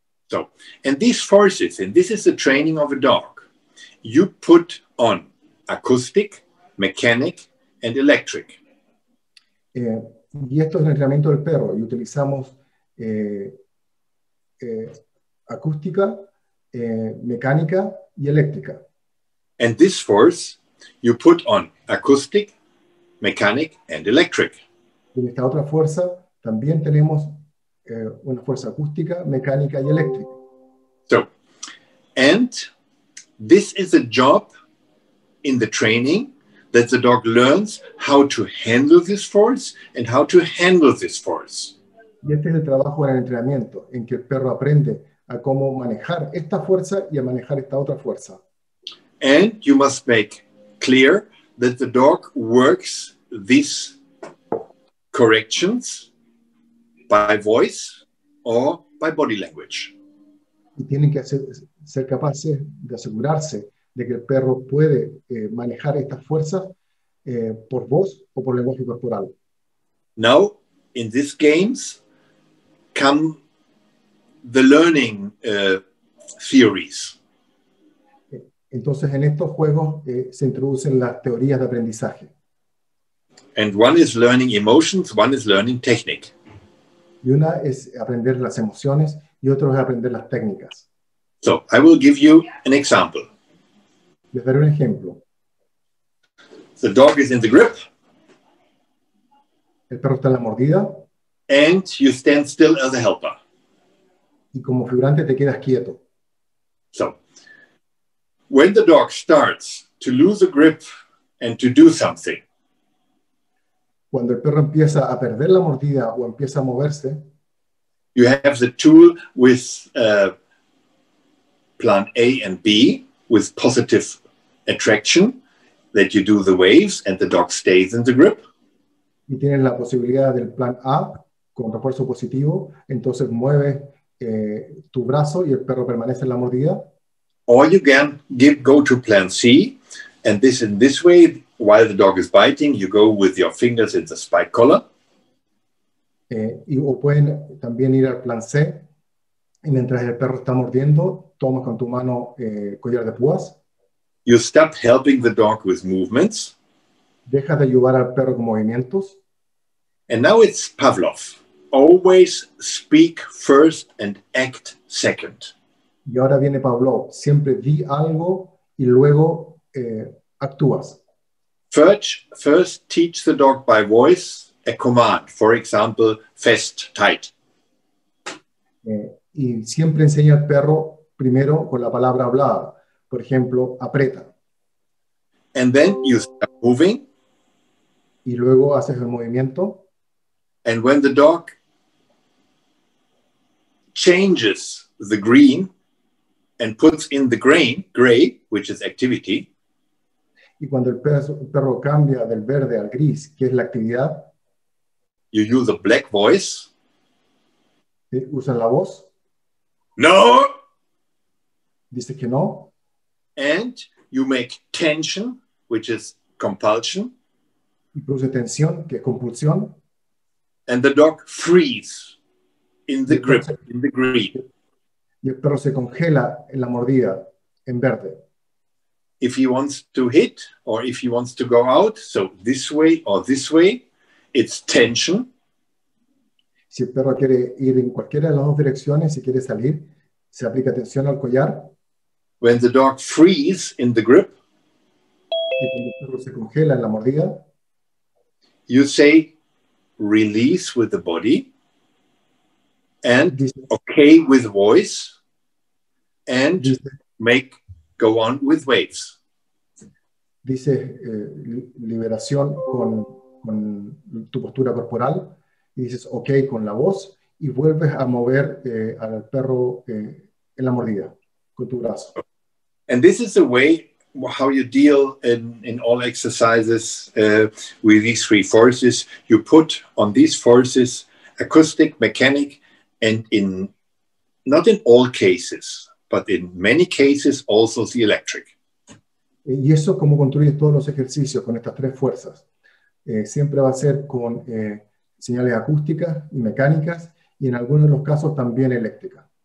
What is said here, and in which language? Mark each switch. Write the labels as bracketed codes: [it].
[en] So, and these forces, and this is the training of a dog, you put on acoustic, mechanic, and electric. [es] Y esto es el entrenamiento del perro, y utilizamos acústica, mecánica y eléctrica. [en] And this force you put on acoustic, mechanic and electric. [es] En esta otra fuerza también tenemos una fuerza acústica, mecánica y eléctrica. [en] So, and this is a job in the training that the dog learns how to handle this force and how to handle this force. [es] Y este es el trabajo en el entrenamiento en que el perro aprende a cómo manejar esta fuerza y a manejar esta otra fuerza. [en] And you must make clear that the dog works these corrections by voice or by body language. [es] Y tienen que ser capaces de asegurarse de que el perro puede manejar estas fuerzas por voz o por lenguaje corporal. [en] Now, in these games, come the learning theories. [es] Entonces, en estos juegos se introducen las teorías de aprendizaje. [en] And one is learning emotions, one is learning technique. [es] Y una es aprender las emociones y otro es aprender las técnicas. [en] So, I will give you an example. [es] Les daré un ejemplo. [en] The dog is in the grip. [es] El perro está en la mordida. [en] And you stand still as a helper. [es] Y como figurante te quedas quieto. [en] So, when the dog starts to lose a grip and to do something, [es] cuando el perro empieza a perder la mordida o empieza a moverse, [en] you have the tool with plan A and B with positive attraction that you do the waves and the dog stays in the grip. [es] Y tienes la posibilidad del plan A con refuerzo positivo, entonces mueves tu brazo y el perro permanece en la mordida. [en] Or you can go to plan C, and this in this way, while the dog is biting, you go with your fingers in the spike collar. [es] O pueden también ir al plan C, y mientras el perro está mordiendo, tomas con tu mano collar de púas. [en] You stop helping the dog with movements. [es] Deja de ayudar al perro con movimientos. [en] And now it's Pavlov. Always speak first and act second. [es] Y ahora viene Pablo, siempre di algo y luego actúas. [en] First teach the dog by voice a command, for example, fast, tight. [es] Y siempre enseña al perro primero con la palabra hablada, por ejemplo, aprieta. [en] And then you start moving. [es] Y luego haces el movimiento. [en] And when the dog changes the green and puts in the gray, which is activity. [es] Y cuando el perro cambia del verde al gris, que es la actividad. [en] You use a black voice. [es] Usa la voz. [en] No. [es] Dice que no. [en] And you make tension, which is compulsion. [es] Y produce tensión, que es compulsión. [en] And the dog freezes in the grip, in the green. [es] Y el perro se congela en la mordida, en verde. [en] If he wants to hit, or if he wants to go out, so this way or this way, it's tension. [es] Si el perro quiere ir en cualquiera de las dos direcciones, si quiere salir, se aplica tensión al collar. [en] When the dog frees in the grip, [es] y cuando el perro se congela en la mordida, [en] you say, release with the body, and okay with voice, and make go on with waves. [es] Dice liberación con tu postura corporal, y dices okay con la voz, y vuelves a mover al perro en la mordida con tu brazo. [en] And this is the way how you deal in all exercises with these three forces. You put on these forces acoustic, mechanic, and in, not in all cases, but in many cases, also the electric. [es] Y eso es como construir todos los ejercicios con estas tres fuerzas. Siempre va a ser con señales acústicas y mecánicas, y en algunos de los casos también eléctrica.